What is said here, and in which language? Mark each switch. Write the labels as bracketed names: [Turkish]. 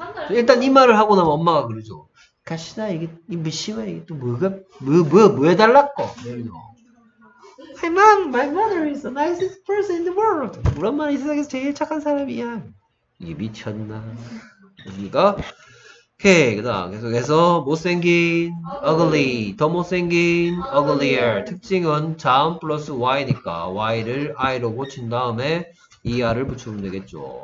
[Korean] 일단 이 말을 하고 나면 엄마가 그러죠. 가시나 이게 이 미시마 이게 또 뭐 달랐고? [English] My mom, my mother is the nicest person in the world. [Korean] 우리 엄마는 이 세상에서 제일 착한 사람이야. 이게 미쳤나? 그러니까. 오케이, 그다음 계속해서 못생긴, ugly, 더 못생긴, uglier. 특징은 자음 플러스 y니까 y를 i로 고친 다음에 er을 붙이면 되겠죠.